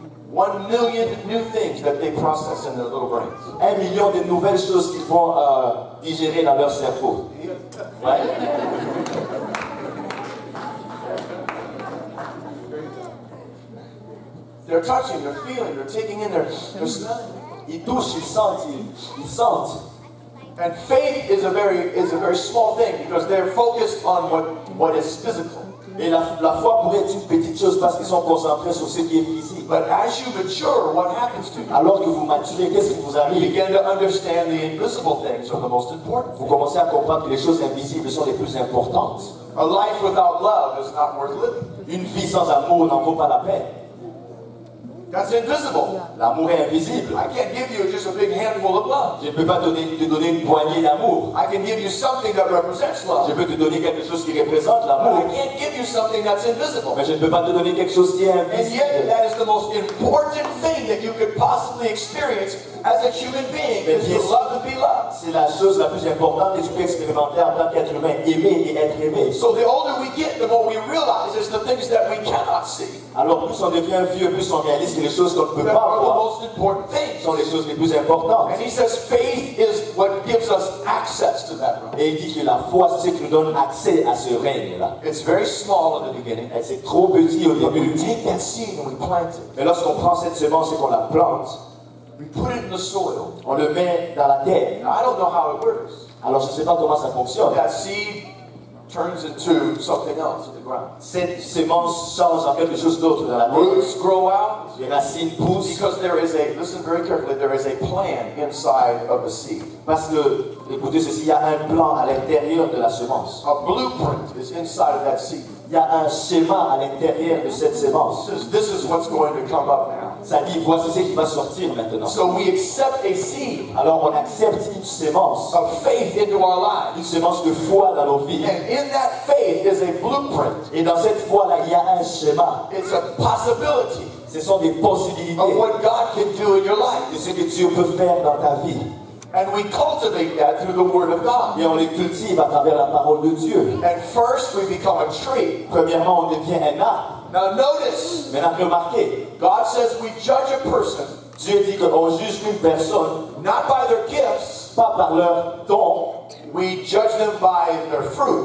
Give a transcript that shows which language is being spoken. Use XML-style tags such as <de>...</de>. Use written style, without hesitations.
<en>1 million new things that they process in their little brains.</en> <fr>1 million de nouvelles choses qu'ils vont digérer dans leur cerveau.</fr> <en>Right? They're touching, they're feeling, they're taking in their smell.</en> <fr>Ils touchent, ils sentent, ils sentent.</fr> <en>And faith is a very small thing because they're focused on what is physical.</en> <fr>Et la foi pourrait être une petite chose parce qu'ils sont concentrés sur ce qui est physique.</fr> <en>But as you mature, what happens to you?</en> <fr>Alors que vous maturez, qu'est-ce qui vous arrive?</fr> <en>You begin to understand the invisible things are the most important.</en> <fr>Vous commencez à comprendre que les choses invisibles sont les plus importantes.</fr> <en>A life without love is not worth living.</en> <fr>Une vie sans amour n'en vaut pas la peine.</fr> <en>That's invisible.</en> <fr>L'amour est invisible.</fr> <en>I can't give you just a big handful of love.</en> <fr>Je ne peux pas te donner une poignée d'amour.</fr> <en>I can give you something that represents love.</en> <fr>Je peux te donner quelque chose qui représente l'amour.</fr> <en>I can't give you something that's invisible.</en> <fr>Mais je ne peux pas te donner quelque chose qui est invisible.</fr> <en>And yet, that is the most important thing that you could possibly experience as a human being. Mais is to love to be loved.</en> <fr>C'est la chose la plus importante que tu peux expérimenter en tant qu'être humain, aimer et être aimé.</fr> <en>So the older we get, the more we realize is the things that we cannot see.</en> <fr>Alors plus on devient vieux, plus on réalise que les choses qu'on ne peut pas voir sont les choses les plus importantes.</fr> <en>And he says faith is what gives us access to that realm.</en> <fr>Et il dit que la foi c'est ce qui nous donne accès à ce règne-là.</fr> <en>It's very small in the beginning.</en> <fr>Et c'est trop petit au début.</fr> <en>We take that seed and we plant it.</en> <fr>Mais lorsqu'on prend cette semence et qu'on la plante,</fr> <en>we put it in the soil.</en> <fr>On le met dans la terre.</fr> <en>Now, I don't know how it works.</en> <fr>Alors je ne sais pas comment ça fonctionne.</fr> <en>That seed turns into something else in the ground.</en> <fr>Cette semence change en quelque chose d'autre dans la terre.</fr> <en>Roots grow out.</en> <fr>Les racines poussent.</fr> <en>Because there is a, listen very carefully, there is a plan inside of the seed.</en> <fr>Parce que, écoutez ceci, il y a un plan à l'intérieur de la semence.</fr> <en>A blueprint is inside of that seed.</en> <fr>Il y y a un schéma à l'intérieur de cette semence.</fr> <en>This is what's going to come up now.</en> <fr>Ça dit, voici ce qui va sortir maintenant.</fr> <en>So we accept a seed.</en> <fr>Alors on accepte une semence.</fr> <en>Of faith into our lives.</en> <fr>Une semence de foi dans nos vies.</fr> <en>And in that faith is a blueprint.</en> <fr>Et dans cette foi là, il y a un schéma.</fr> <en>It's a possibility.</en> <fr>Ce sont des possibilités.</fr> <en>Of what God can do in your life.</en> <fr>De ce que Dieu peut faire dans ta vie.</fr> <en>And we cultivate that through the Word of God.</en> <fr>Et on les cultive à travers la parole de Dieu.</fr> <en>And first we become a tree.</en> <fr>Premièrement, on devient un arbre.</fr> <en>Now notice.</en> <fr>Maintenant, remarquez.</fr> <en>God says we judge a person.</en> <fr>Dieu dit qu'on juge une personne.</fr> <en>Not by their gifts.</en> <fr>Pas par leur don.</fr> <en>We judge them by their fruit.</en>